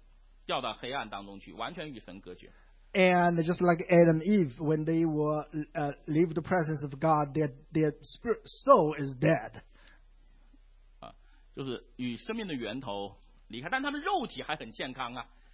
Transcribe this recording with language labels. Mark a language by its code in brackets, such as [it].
[zh] 灵魂已经死了，亚当夏娃犯罪，赶出伊甸园。他们吃那分别善恶树上的果子，神说他们必死。他们事实上与生命的源头隔开，他们灵魂已经掉到黑暗当中去，完全与神隔绝。 [en] And just like Adam and Eve, when they were leave the presence of God, their spirit soul is dead. [zh] 就是与生命的源头离开，但他们肉体还很健康啊。